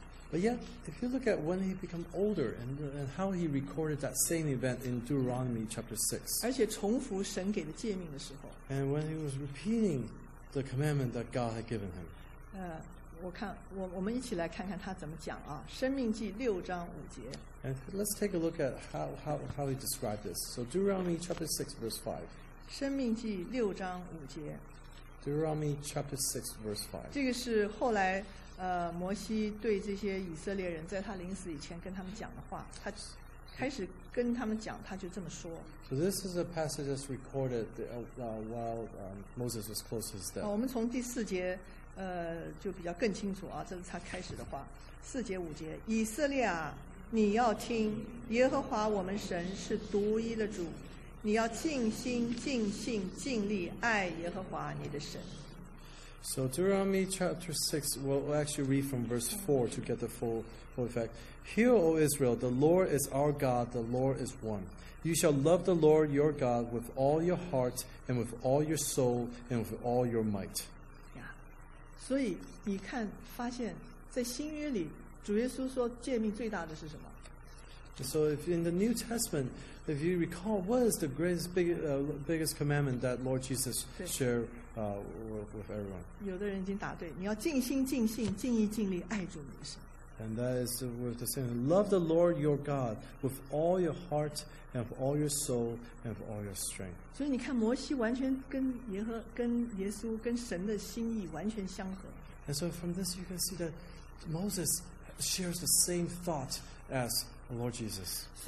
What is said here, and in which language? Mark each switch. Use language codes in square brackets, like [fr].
[en] But yet, if you look at when he became older and how he recorded that same event in Deuteronomy chapter 6, and when he was repeating,the commandment that God had given him. [zh] 我们一起来看看他怎么讲啊。生命记六章五节。 [en] And let's take a look at how he described this. So Deuteronomy chapter 6 verse 5. 生命记六章五节。 Deuteronomy chapter 6 verse 5. [zh] 这个是后来摩西对这些以色列人在他临死以前跟他们讲的话。他开始跟他们讲，他就这么说。 [en] So this is a passage that's recorded while Moses was close to his death. [zh] 我们从第四节，就比较更清楚啊。这是他开始的话，四节五节，以色列啊，你要听，耶和华我们神是独一的主，你要尽心、尽性、尽力爱耶和华你的神。 [en] So Deuteronomy chapter 6, we'll actually read from verse 4 to get the full effect. Hear, O Israel, the Lord is our God, the Lord is one. You shall love the Lord your God with all your heart and with all your soul and with all your might. Yeah. [zh] 所以你看发现 在新约里 主耶稣说诫命最大的是什么？ [en] So if in the New Testament, if you recall, what is the greatest, biggest commandment that Lord Jesus shared with everyone? [zh] 有的人已经答对, 你要尽心尽性尽意尽力, [en] and that is with the same. Love the Lord your God with all your heart and with all your soul and with all your strength. [zh] 所以你看摩西完全跟耶和,跟耶稣,跟神的心意完全相合。 [en] And so from this you can see that Moses shares the same thought as Lord Jesus.